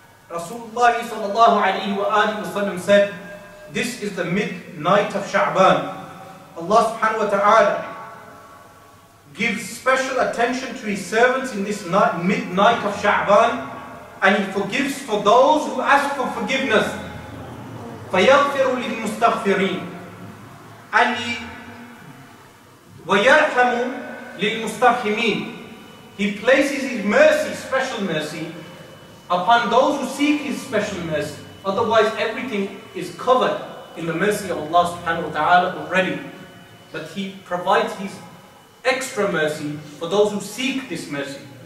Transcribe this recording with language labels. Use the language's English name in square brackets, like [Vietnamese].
[English] Rasulullah sallallahu alayhi wa alihi wa sallam said, this is the midnight of Sha'ban. Allah subhanahu wa ta'ala gives special attention to His servants in this midnight of Sha'ban, and He forgives for those who ask for forgiveness. [Arabic] فَيَغْفِرُ لِلْمُسْتَغْفِرِينَ [English] and He [Arabic] وَيَرْحَمُ لِلْمُسْتَرْحِمِينَ. [English] He places His mercy, special mercy, upon those who seek His special mercy. Otherwise, everything is covered in the mercy of Allah subhanahu wa ta'ala already. But He provides His extra mercy for those who seek this mercy.